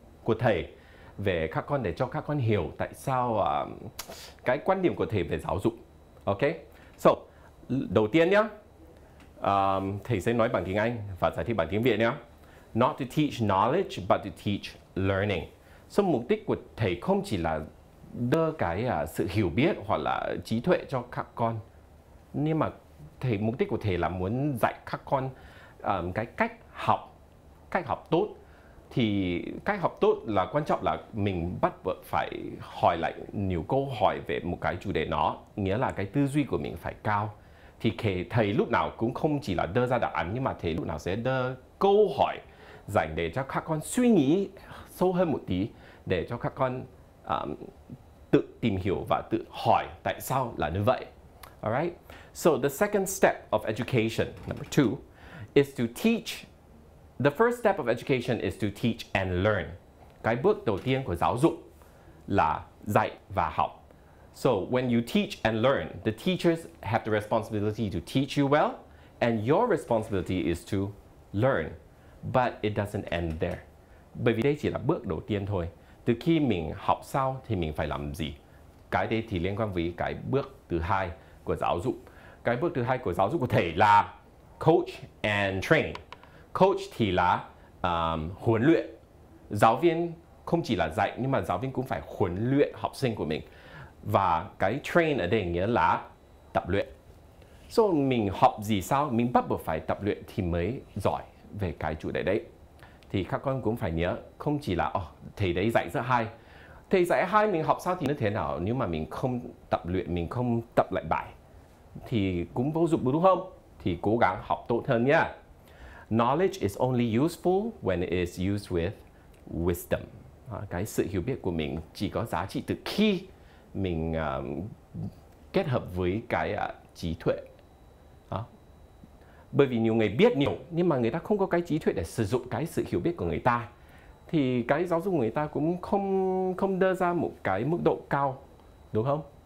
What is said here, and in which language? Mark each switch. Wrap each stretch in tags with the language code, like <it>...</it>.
<vi>Của thầy về các con để cho các con hiểu tại sao cái quan điểm của thầy về giáo dục. Ok, so đầu tiên nhá, thầy sẽ nói bằng tiếng Anh và giải thích bằng tiếng Việt nhá.</vi> <en>Not to teach knowledge but to teach learning.</en> <vi>So mục đích của thầy không chỉ là đưa cái sự hiểu biết hoặc là trí tuệ cho các con, nhưng mà thầy, mục đích của thầy là muốn dạy các con cái cách học tốt. Thì cách học tốt là quan trọng là mình bắt buộc phải hỏi lại nhiều câu hỏi về một cái chủ đề nó. Nghĩa là cái tư duy của mình phải cao. Thì thầy lúc nào cũng không chỉ là đưa ra đáp án, nhưng mà thầy lúc nào sẽ đưa câu hỏi dành để cho các con suy nghĩ sâu hơn một tí. Để cho các con tự tìm hiểu và tự hỏi tại sao là như vậy.</vi> <en>Alright? So the second step of education, number two, is to teach. The first step of education is to teach and learn.</en> <vi>Cái bước đầu tiên của giáo dục là dạy và học.</vi> <en>So when you teach and learn, the teachers have the responsibility to teach you well, and your responsibility is to learn. But it doesn't end there.</en> <vi>Bởi vì đây chỉ là bước đầu tiên thôi. Từ khi mình học sao thì mình phải làm gì? Cái đấy thì liên quan với cái bước thứ hai của giáo dục. Cái bước thứ hai của giáo dục có thể là coach and train. Coach thì là huấn luyện. Giáo viên không chỉ là dạy, nhưng mà giáo viên cũng phải huấn luyện học sinh của mình. Và cái train ở đây nghĩa là tập luyện. So mình học gì sao, mình bắt buộc phải tập luyện thì mới giỏi về cái chủ đề đấy. Thì các con cũng phải nhớ, không chỉ là thầy đấy dạy rất hay. Thầy dạy hay mình học sao thì như thế nào, nhưng mà mình không tập luyện, mình không tập lại bài thì cũng vô dụng đúng không? thì cố gắng học tốt hơn nha.</vi> <en>Knowledge is only useful when it is used with wisdom.</en> <vi>Cái sự hiểu biết của mình chỉ có giá trị từ khi mình kết hợp với cái trí tuệ. Bởi vì nhiều người biết nhiều nhưng mà người ta không có cái trí tuệ để sử dụng cái sự hiểu biết của người ta, thì cái giáo dục người ta cũng không đưa ra một cái mức độ cao, đúng không?</vi>